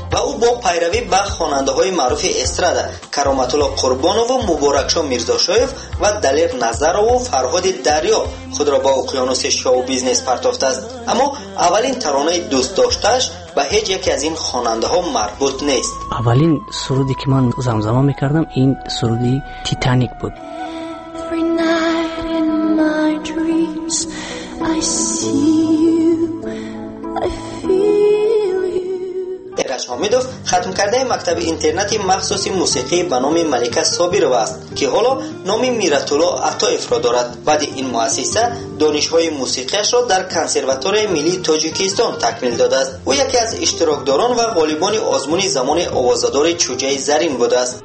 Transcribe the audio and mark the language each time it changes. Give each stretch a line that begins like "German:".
Persian: و او با پیروی به خواننده های معروف استراد کرامت الله قربانوف و مبارکشاه میرزاشایف و دلیر نظرو و فرهاد دریا خود را با اقیانوس شو بیزنس پرتافته است. اما اولین ترانه دوست داشتش و هیچ یکی از این خواننده ها مربوط نیست. اولین سرودی که من زمزمه میکردم این سرودی تیتانیک بود.
English: Every night in my dreams I see you, I feel you.
Persian: ایرج حامیدوف ختم کرده مکتب اینترنتی مخصوص موسیقی به نام ملکه صابرو است که حالا نام میرت‌الله عطایف را دارد. بعد این مؤسسه دانش‌های موسیقیش را در کنسرواتوار ملی تاجیکستان تکمیل داده است. او یکی از اشتراکداران و غالبان آزمون زمان آوازدار چوجه زرین بوده است.